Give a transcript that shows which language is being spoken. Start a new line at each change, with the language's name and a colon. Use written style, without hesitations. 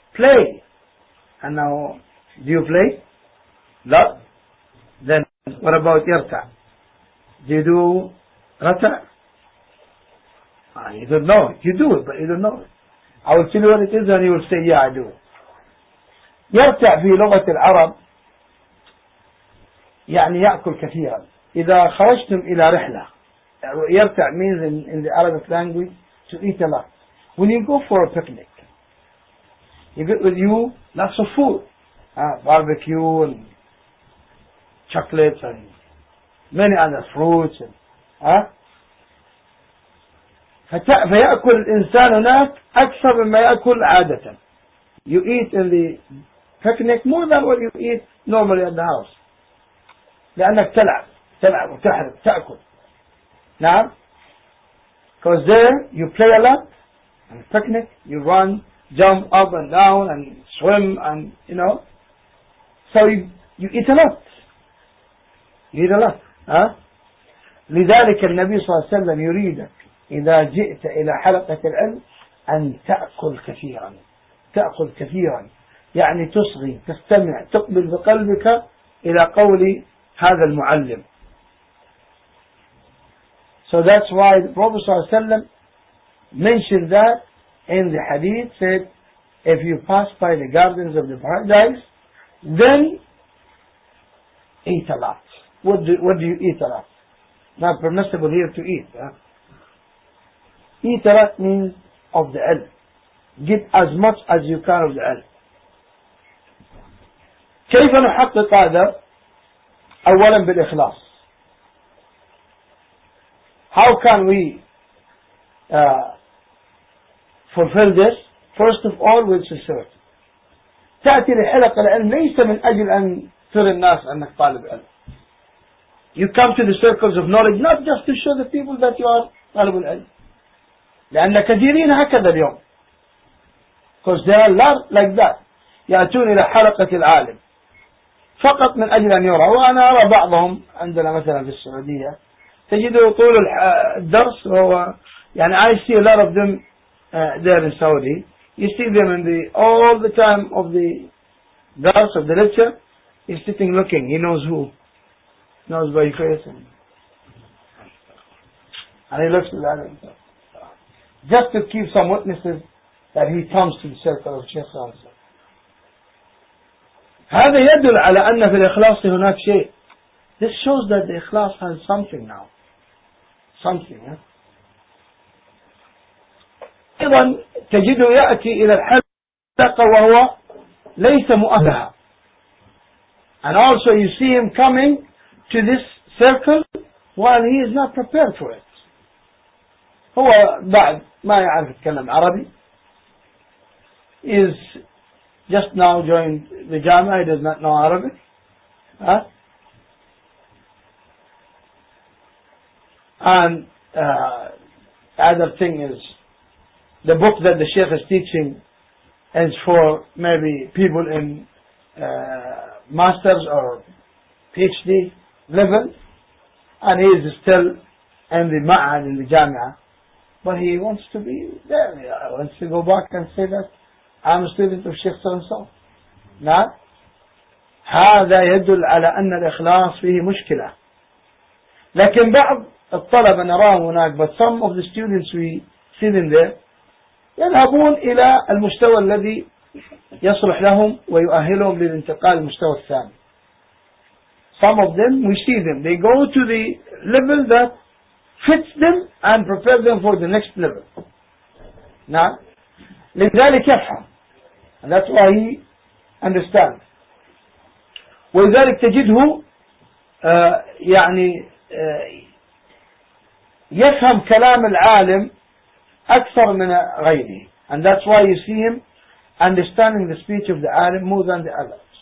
English: Play. And now, do you play? لا. Then, what about يرتع? Do you do رتع? You don't know. You do it, but you don't know. I will tell you what it is, and you will say, "Yeah, I do."
Arabic: يرتع في لغة العرب يعني يأكل كثيرا. إذا خرجتم إلى رحلة,
English: يرتع means in the Arabic language to eat a lot. When you go for a picnic, you get with you lots of food, barbecue and chocolates and many other fruits.
Arabic: فيأكل الإنسان هناك أكثر مما يأكل عادة.
English: You eat in the picnic more than what you eat normally at the house.
Arabic: لأنك تلعب, تلعب وتحرك تأكل. نعم.
English: Because there you play a lot. In the picnic you run, jump up and down and swim and you know. So you eat a lot. You eat a lot.
Arabic: لذلك النبي صلى الله عليه وسلم يريدك إذا جئت إلى حلقة العلم أن تأكل كثيرا. تأكل كثيرا. يعني تصغي, تستمع, تقبل بقلبك إلى قول هذا المعلم.
English: So that's why the Prophet صلى الله عليه وسلم mentioned that in the hadith, said if you pass by the gardens of the paradise, then eat a lot. What do you eat a lot? Not permissible here to eat. Eat a lot means of the ilm. Get as much as you can of the ilm.
Arabic: كيف نحقق هذا؟ أولا بالإخلاص.
English: How can we fulfill this? First of all with sincerity.
Arabic: تأتي لحلق العلم ليس من أجل أن ترى الناس أنك طالب علم.
English: You come to the circles of knowledge not just to show the people that you are طالب العلم.
Arabic: لأن كثيرين هكذا اليوم.
English: Because they are not like that.
Arabic: يأتون إلى حلقة العالم فقط من أجل أن يرى. وأنا أرى بعضهم عندنا مثلا في السعودية تجده طول الدرس وهو
English: يعني I see a lot of them there in Saudi. You see them in the all the time of the class of the lecture. He's sitting looking. He knows who. Knows by face. And he looks at that. Just to keep some witnesses that he comes to the circle of Sheikh Khalsa.
Arabic: هذا يدل على أن في الإخلاص هناك شيء.
English: This shows that the إخلاص has something now. Something.
Arabic: أيضا تجد يأتي إلى الحلقة وهو ليس مؤهلها.
English: And also you see him coming to this circle while he is not prepared for it.
Arabic: هو بعد ما يعرف يتكلم عربي.
English: Is just now joined the Jama, he does not know Arabic. And the other thing is, the book that the Sheikh is teaching is for maybe people in Masters or PhD level, and he is still in the Ma'ad, in the Jama, but he wants to be there, he wants to go back and say that I'm a student of Sheikh so-and-so. No?
Arabic: هذا يدل على أن الإخلاص فيه مشكلة. لكن بعض الطلبة نراه هناك,
English: but some of the students we see in there,
Arabic: يذهبون إلى المستوى الذي يصلح لهم ويؤهلهم للانتقال المستوى الثاني.
English: Some of them, we see them, they go to the level that fits them and prepare them for the next level. No?
Arabic: لذلك يفهم.
English: And that's why he understands.
Arabic: ولذلك تجده يعني يفهم كلام العالم أكثر من غيره.
English: And that's why you see him understanding the speech of the alim more than the others.